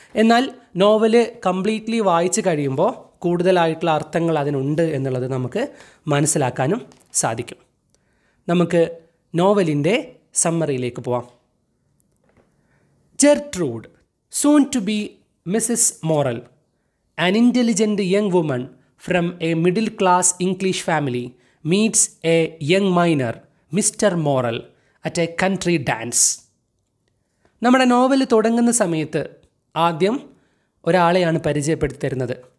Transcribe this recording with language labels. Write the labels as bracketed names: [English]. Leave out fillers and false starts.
[Malayalam] എന്നാൽ novel completely വായിച്ച് കഴിയുമ്പോൾ കൂടുതലായിട്ടുള്ള അർത്ഥങ്ങൾ അതിനുണ്ട് എന്നുള്ളത് നമുക്ക് മനസ്സിലാക്കാനും സാധിക്കും. നമുക്ക് നോവലിൻ്റെ സമ്മറിയിലേക്ക് പോവാം. Gertrude [English] soon to be Mrs. Morel, an intelligent young woman from a middle-class English family, meets a young miner, Mr. Morel, at a country dance. [Malayalam] നമ്മുടെ നോവൽ തുടങ്ങുന്ന സമയത്ത് ആദ്യം ഒരാളെയാണ് പരിചയപ്പെടുത്തിരുന്നത്.